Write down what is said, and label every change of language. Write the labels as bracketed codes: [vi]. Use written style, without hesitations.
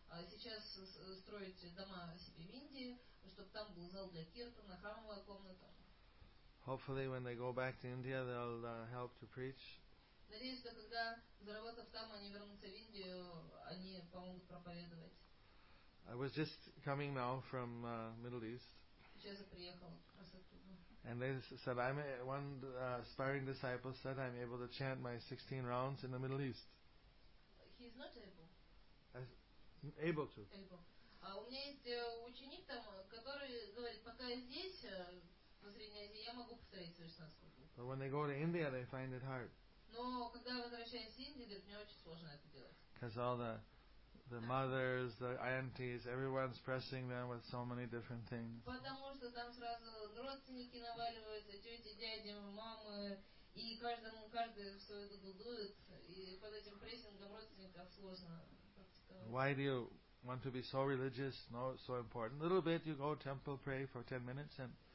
[ru] Сейчас строить дома себе в Индии, чтобы там был зал для киртана, храмовая комната. [en] Hopefully, when they go back to India, they'll help to preach. [ru] Надеюсь, что когда заработав там, они вернутся в Индию, они помогут проповедовать. [en] I was just coming now from Middle East. [ru] Сейчас я приехал раз оттуда. [en] And they said, aspiring disciple said, I'm able to chant my 16 rounds in the Middle East. He's not able. Able to. [ru] У меня есть ученик там, который говорит, пока я здесь, в Средней Азии, я могу повторить 16 кругов. [en] But when they go to India, they find it hard. [ru] Но когда возвращаюсь в Индию, говорит, мне очень сложно это делать. [en] Because all the mothers, the aunties, everyone's pressing them with so many different things. [ru] Потому что там сразу родственники наваливаются, тети, дяди, мамы, и каждый все это дудует, и под этим прессингом родственников сложно. [en] Why do you want to be so religious? No, so important. A little bit, you go temple, pray for 10 minutes, and